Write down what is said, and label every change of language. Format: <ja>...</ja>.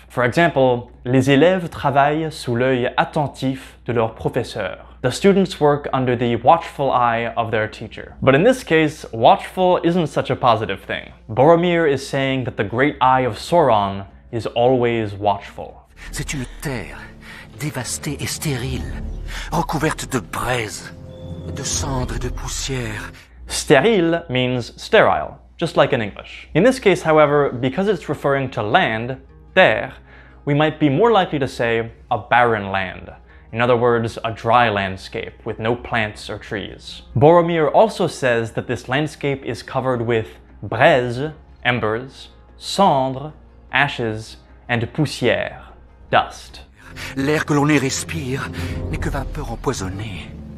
<en>For example,</en> <fr>les élèves travaillent sous l'œil attentif de leur professeur.</fr> <en>The students work under the watchful eye of their teacher. But in this case, watchful isn't such a positive thing. Boromir is saying that the great eye of Sauron is always watchful.</en> <fr>C'est une terre dévastée et stérile, recouverte de braises, de cendres et de poussière.</fr> <en>Stérile means sterile. Just like in English. In this case, however, because it's referring to land, terre, we might be more likely to say a barren land. In other words, a dry landscape with no plants or trees. Boromir also says that this landscape is covered with braise, embers, cendre, ashes, and poussière, dust.</en> <fr>L'air que l'on y respire n'est que vapeur empoisonnée.</fr>